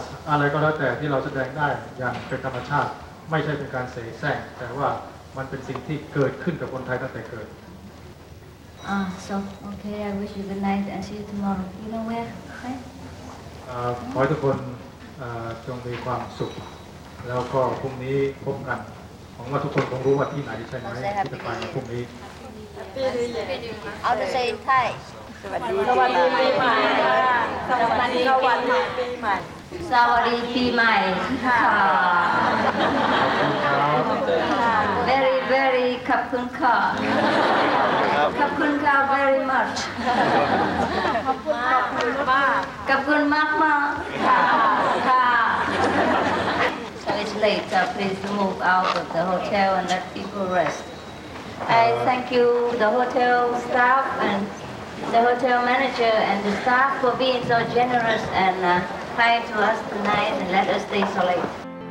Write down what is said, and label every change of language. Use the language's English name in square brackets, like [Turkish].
[Thai] อะไรก็แล้วแต่ที่เราแสดงได้อย่างเป็นธรรมชาติไม่ใช่เป็นการเสแสร้งแต่ว่ามันเป็นสิ่งที่เกิดขึ้นกับคนไทยตั้งแต่เกิด [English] so okay I wish you good night and see you tomorrow you know where right [Thai] ขอให้ทุกคนจงมีความสุขแล้วก็พรุ่งนี้พบกันหวังว่าทุกคนคงรู้ว่าที่ไหนใช่ไหมที่จะไปพรุ่งนี้ [English] Happy New Year I'll say in Thai [Thai] สวัสดีใหม่ ค่ะสวัสดี วันใหม่ปีใหม่ สวัสดีปีใหม่ค่ะ [English] very very [Thai] ขอบคุณค่ะขอบคุณค่ะ [English] very much [Thai] ขอบคุณมาก ขอบคุณมากมาก ค่ะ [English] ค่ะ so it's late please move out of the hotel and let people rest I thank you the hotel staff and the hotel manager and the staff for being so generous and kind to us tonight and let us stay so late.